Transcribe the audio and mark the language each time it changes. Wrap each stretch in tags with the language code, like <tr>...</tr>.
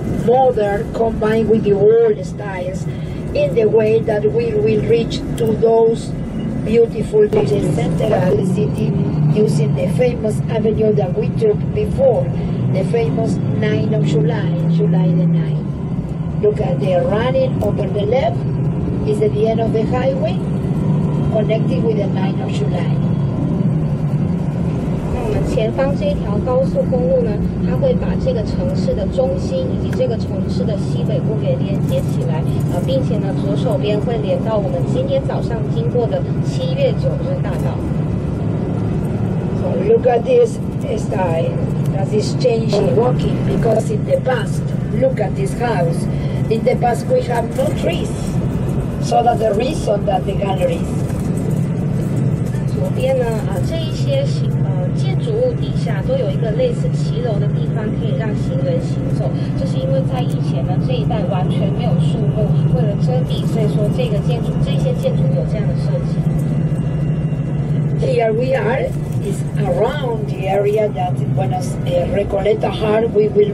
<en>Modern combined with the old styles in the way that we will reach to those beautiful buildings center of the city using the famous avenue that we took before, the famous 9 of July, July the 9th. Look at the running over the left is at the end of the highway connecting with the 9 of July.</en> <zh>前方这一条高速公路呢，它会把这个城市的中心以及这个城市的西北部给连接起来，并且呢，左手边会连到我们今天早上经过的七月九日大道。</zh> <en>So look at this style that is changing walking because in the past, look at this house. In the past, we have no trees, so that the reason that the galleries.</en> <zh>左边呢，这一些行。建筑物底下都有一个类似骑楼的地方，可以让行人行走。这是因为在以前呢，这一带完全没有树木，为了遮蔽，所以说这些建筑有这样的设计。</zh> <en>Here we are, is around the area that when us Recoleta Hard, we will</en>